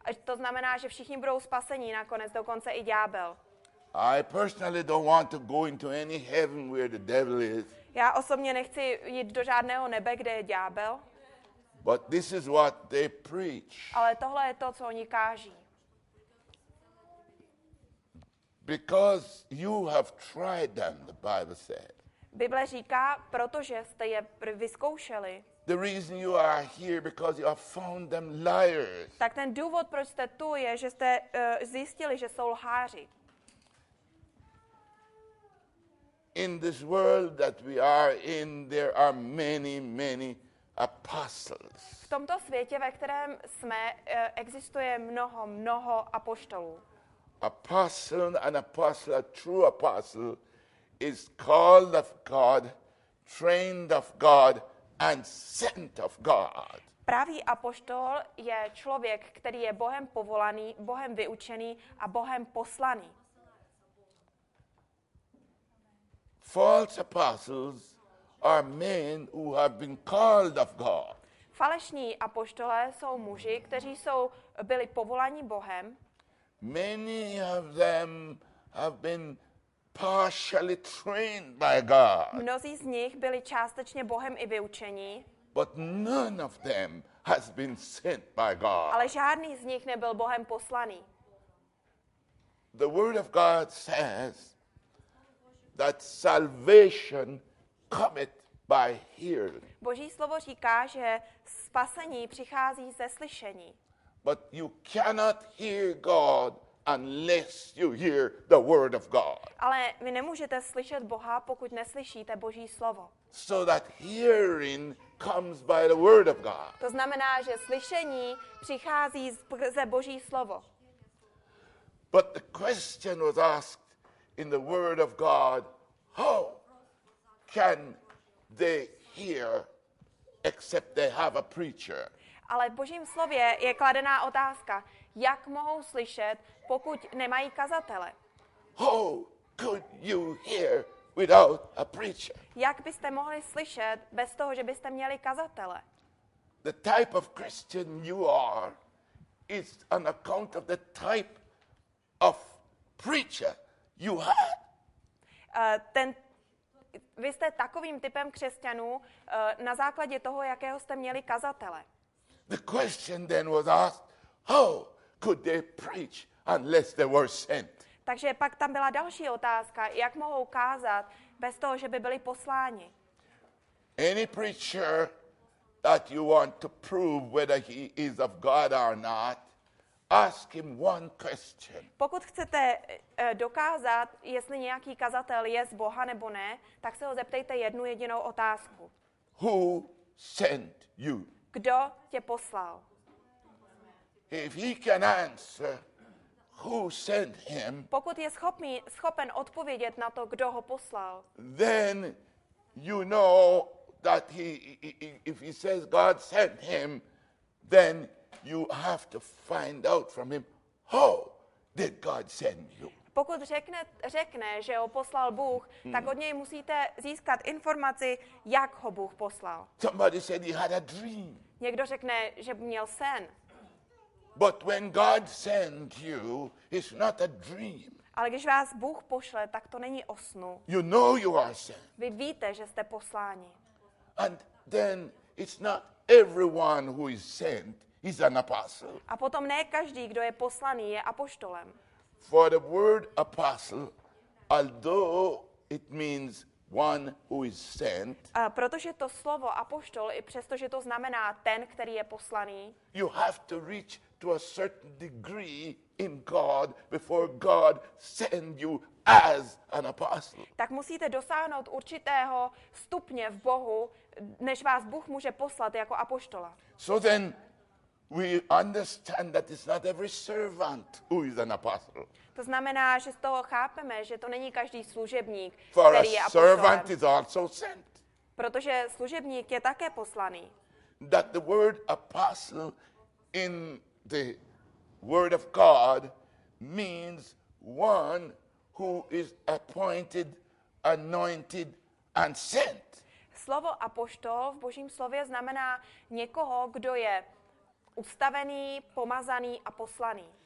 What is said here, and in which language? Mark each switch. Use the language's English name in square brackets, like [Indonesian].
[Czech] To znamená, že všichni budou spasení nakonec, dokonce i ďábel. [English] I personally don't want to go into any heaven where the devil is. [Czech] Já osobně nechci jít do žádného nebe, kde je ďábel. [English] But this is what they preach. [Czech] Ale tohle je to, co oni káží. [English] Because you have tried them, the Bible said. [Czech] Bible říká, protože jste je vyzkoušeli. [English] The reason you are here because you have found them liars. [Czech] Tak ten důvod, proč jste tu, je, že jste zjistili, že jsou lháři. [English] In this world that we are in, there are many, many apostles. [Czech] V tomto světě, ve kterém jsme, existuje mnoho, mnoho apoštolů. [English] Apostle and apostle, a true apostle, is called of God, trained of God, and sent of God. [Czech] Pravý apoštol je člověk, který je Bohem povolaný, Bohem vyučený a Bohem poslaný. [English] False apostles are men who have been called of God. [Czech] Falešní apoštolé jsou muži, kteří jsou byli povoláni Bohem. [English] Many of them have been partially trained by God. [Czech] Mnozí z nich byli částečně Bohem i vyučení. [English] But none of them has been sent by God. [Czech] Ale žádný z nich nebyl Bohem poslaný. [English] The word of God says that salvation cometh by hearing. [Czech] Boží slovo říká, že spasení přichází ze slyšení. [English] But you cannot hear God unless you hear the word of God. [Czech] Ale vy nemůžete slyšet Boha, pokud neslyšíte Boží slovo. [English] So that hearing comes by the word of God. [Czech] To znamená, že slyšení přichází ze Boží slovo. [English] But the question was asked in the word of God, how can they hear except they have a preacher? [Czech] Ale v Božím slově je kladená otázka, jak mohou slyšet, pokud nemají kazatele? [English] How could you hear without a preacher? [Czech] Jak byste mohli slyšet bez toho, že byste měli kazatele? [English] The type of Christian you are is an account of the type of preacher you have. [Czech] Vy jste takovým typem křesťanů na základě toho, jakého jste měli kazatele. [English] The question then was asked, how could they preach unless they were sent? [Czech] Takže pak tam byla další otázka, jak mohou kázat bez toho, že by byli posláni. [English] Any preacher that you want to prove whether he is of God or not, ask him one question. [Czech] Pokud chcete dokázat, jestli nějaký kazatel je z Boha nebo ne, tak se ho zeptejte jednu jedinou otázku. [English] Who sent you? [Czech] Kdo tě poslal? [English] If he can answer, who sent him, [Czech] pokud je schopen odpovědět na to, kdo ho poslal, [English] then you know that he, if he says God sent him, then you have to find out from him, how did God send you? [Czech] Pokud řekne, že ho poslal Bůh, tak od něj musíte získat informaci, jak ho Bůh poslal. [English] Somebody said he had a dream. [Czech] Někdo řekne, že měl sen. [English] But when God sent you, it's not a dream. [Czech] Ale když vás Bůh pošle, tak to není o snu. [English] You know you are sent. [Czech] Vy víte, že jste posláni. [English] And then it's not everyone who is sent is an apostle. [Czech] A potom ne každý, kdo je poslaný, je apoštolem. [English] For the word apostle, although it means one who is sent. [Czech] A protože to slovo apoštol, i přesto, že to znamená ten, který je poslaný. [English] You have to reach to a certain degree in God before God send you as an apostle. [Czech] Tak musíte dosáhnout určitého stupně v Bohu, než vás Bůh může poslat jako apoštola. [English] So then we understand that it's not every servant who is an apostle. [Czech] To znamená, že z toho chápeme, že to není každý služebník, [English] for [Czech] který je apostolem. [English] A servant is also sent. [Czech] Protože služebník je také poslaný. [English] That the word apostle in the word of God means one who is appointed, anointed and sent. [Czech] Slovo apoštol v Božím slově znamená někoho, kdo je ustavený, pomazaný a poslaný.